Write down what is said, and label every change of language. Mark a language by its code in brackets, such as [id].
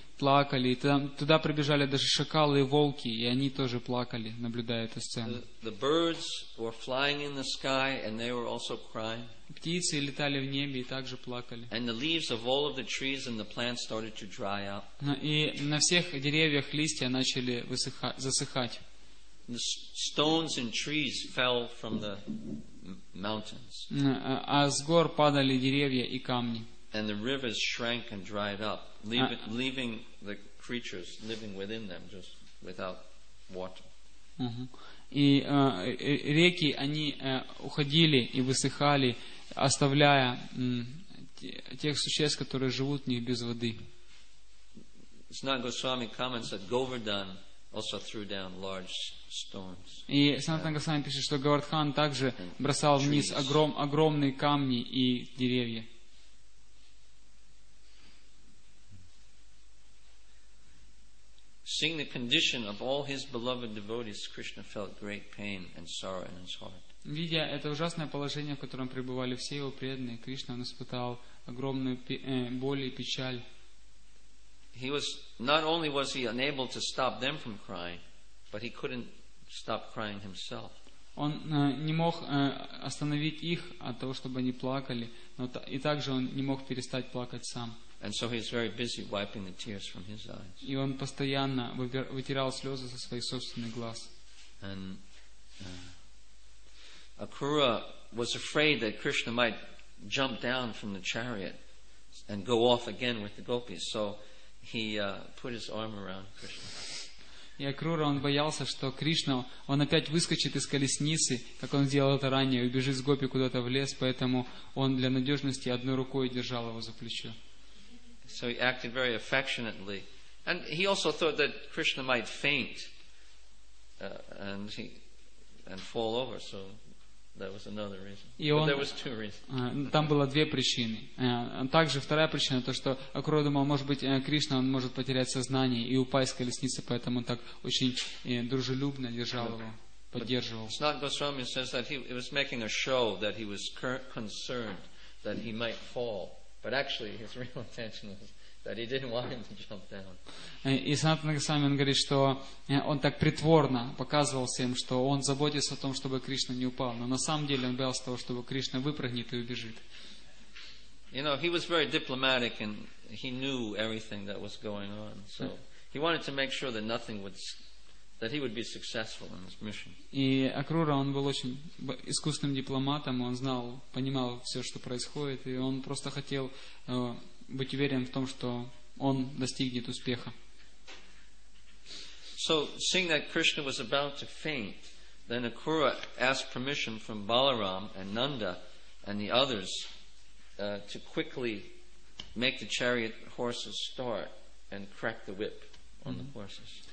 [ru] плакали, и там, туда прибежали даже шакалы и волки, и они тоже плакали, наблюдая эту сцену. [en] The birds were flying in the sky, and they were also crying. [ru] Птицы летали в небе и также плакали. [en] And the leaves of all of the trees and the plants started to dry up. [ru] И на всех деревьях листья начали засыхать. [en] The stones and trees fell from the mountains. [ru] А с гор падали деревья и камни. [en] And the rivers shrank and dried up, leaving the creatures living within them just without water. [ru] И реки они уходили и высыхали, оставляя тех существ, которые живут в них без воды. [en] Снага Госвами comments that Govardhan also threw down large stones. [ru] И Санатан Госвами пишет, что Говардхан также бросал вниз огромные камни и деревья. [en] Seeing the condition of all his beloved devotees, Krishna felt great pain and sorrow in his heart. [ru] Видя это ужасное положение, в котором пребывали все его преданные, Кришна испытал огромную боль и печаль. [en] He was not only was he unable to stop them from crying, but he couldn't stop crying himself. [ru] Он не мог остановить их от того, чтобы они плакали, но и также он не мог перестать плакать сам. [en] And so he's very busy wiping the tears from his eyes. [ru] И он постоянно вытирал слезы со своих собственных глаз. [en] And Akrura was afraid that Krishna might jump down from the chariot and go off again with the gopis, so he put his arm around Krishna. [ru] И Акрура, он боялся, что Кришна, он опять выскочит из колесницы, как он сделал это ранее, убежит с гопи куда-то в лес, поэтому он для надежности одной рукой держал его за плечо. [en] So he acted very affectionately. And he also thought that Krishna might faint and fall over. So that was another reason. But there was two reasons. [ru] Там было две причины. Также вторая причина, то что Акрура думал, может быть, Кришна, он может потерять сознание и упасть с колесницы, поэтому он так очень дружелюбно держал его, поддерживал. [en] Snat Goswami says that he was making a show that he was concerned that he might fall. But actually, his real intention was that he didn't want him to jump down. [ru] И Санатана Госвами говорит, что он так притворно показывал всем, что он заботится о том, чтобы Кришна не упал. Но на самом деле он боялся того, чтобы Кришна выпрыгнет и убежит. [en] You know, he was very diplomatic and he knew everything that was going on. So he wanted to make sure that nothing would that he would be successful in his mission. [ru] И Акрура, он был очень искусным дипломатом, он знал, понимал все, что происходит, и он просто хотел быть уверен в том, что он достигнет успеха. [en] So, seeing that Krishna was about to faint, then Akrura asked permission from Balaram and Nanda and the others to quickly make the chariot horses start and crack the whip on the horses.